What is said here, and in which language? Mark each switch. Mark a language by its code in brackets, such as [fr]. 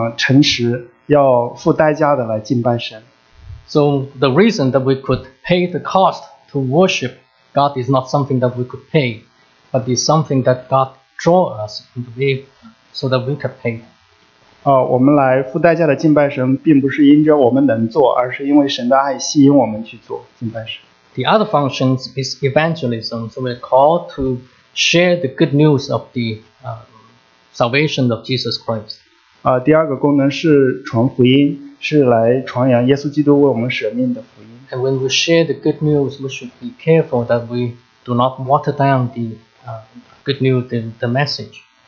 [zh] 穆里牧师也讲到我们要用圣洁，要用诚实，要付代价的来敬拜神。 [en] So the reason that we could pay the cost to worship God is not something that we could pay. But it's something that God draws us in the way so that we can pay. [zh] 我们来付代价的敬拜神，并不是因着我们能做，而是因为神的爱吸引我们去做敬拜神。 [en] The other function is evangelism. So we're called to share the good news of the salvation of Jesus Christ. [zh] 第二个功能是传福音，是来传扬耶稣基督为我们舍命的福音。 [en] And when we share the good news, we should be careful that we do not water down the good news, the message.